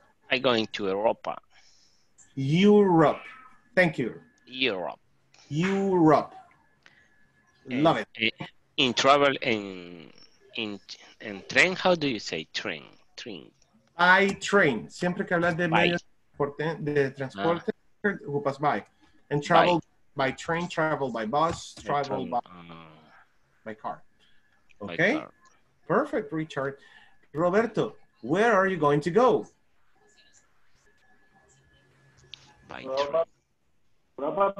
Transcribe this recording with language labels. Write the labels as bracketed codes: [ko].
[en] I'm going to Europa. Europe. Thank you. Europe. Europe. Love it. In travel, in train, how do you say train? Train. By train. [es] Siempre que hablas de medios de transporte, ocupas by. [en] And travel by train, travel by bus, travel by car. Okay? Car. Perfect, Richard. Roberto, where are you going to go? By train.